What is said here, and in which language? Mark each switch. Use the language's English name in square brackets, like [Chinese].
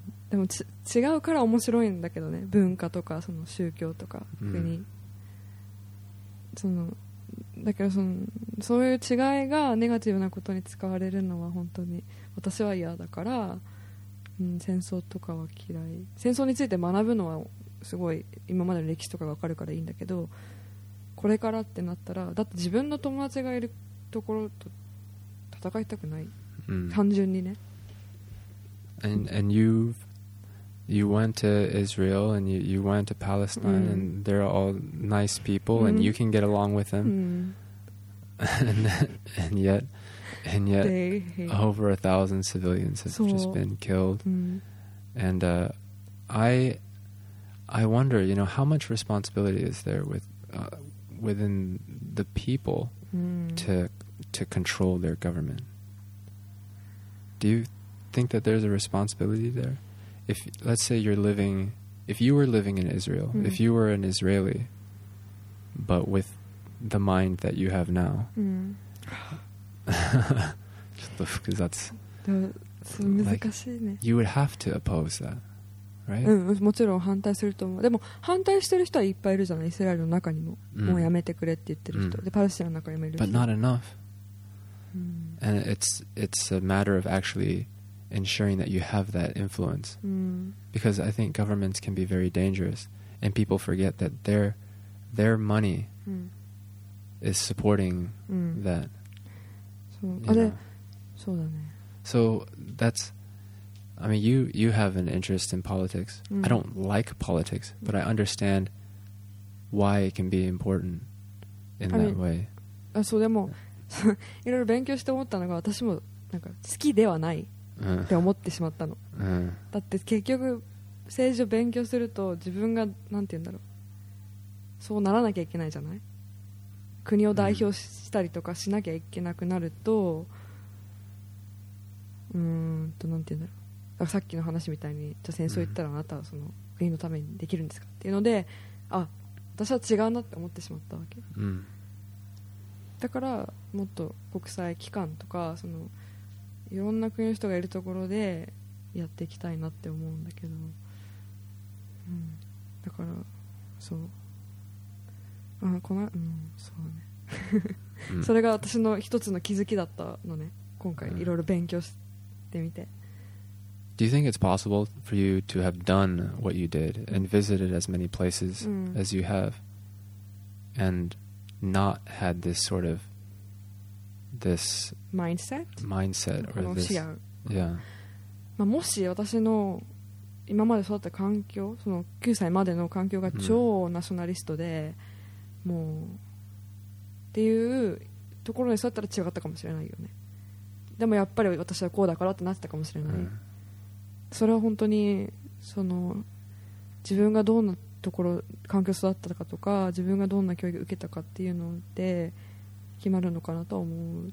[Japanese] でも違うから面白いんだけどね、文化とかその宗教とか国、そのだけどそういう違いがネガティブなことに使われるのは本当に私は嫌だから、戦争とかは嫌い。戦争について学ぶのはすごい今までの歴史とかが分かるからいいんだけど、これからってなったら、だって自分の友達がいるところと戦いたくない、単純にね。 [English] And you went to Israel and you went to Palestine and they're all nice people and you can get along with them and yet over 1,000 civilians have just been killed and I wonder, you know, how much responsibility is there with within the people to control their government? Do you think that there's a responsibility there? if let's say you're living, if you were living in Israel, if you were an Israeli, but with the mind that you have now, because that's like, you would have to oppose that, right? [Japanese] もちろん反対すると思う。でも反対してる人はいっぱいいるじゃない。イスラエルの中にも、もうやめてくれって言ってる人、でパレスチナの中にもいる。 [English] But not enough. And it's a matter of actually ensuring that you have that influence. Because I think governments can be very dangerous, and people forget that their money is supporting that. [Japanese] そうだね。 [English] So that's, I mean, you have an interest in politics. I don't like politics, but I understand why it can be important in that way. [Japanese] そうでもいろいろ勉強して思ったのが、私もなんか好きではないって思ってしまったの。だって結局政治を勉強すると自分がなんて言うんだろう、そうならなきゃいけないじゃない。国を代表したりとかしなきゃいけなくなると。なんて言うんだろう、だからさっきの話みたいに、じゃあ戦争行ったらあなたはその国のためにできるんですかっていうので、あ、私は違うなって思ってしまったわけ。だからもっと国際機関とか、そのいろんな国の人がいるところでやっていきたいなって思うんだけど、だからそう、あ、この、そうね、それが私の一つの気づきだったのね、今回いろいろ勉強して。 [English] Do you think it's possible for you to have done what you did and visited as many places as you have and not had this sort of this mindset or this [Japanese] まあ、もし私の今まで育った環境、その9歳までの環境が超ナショナリストで、もうっていうところに育ったら違ったかもしれないよね。でもやっぱり私はこうだからってなってたかもしれない。それは本当にその自分がどんなところ環境育ったかとか、自分がどんな教育を受けたかっていうので決まるのかなと思う。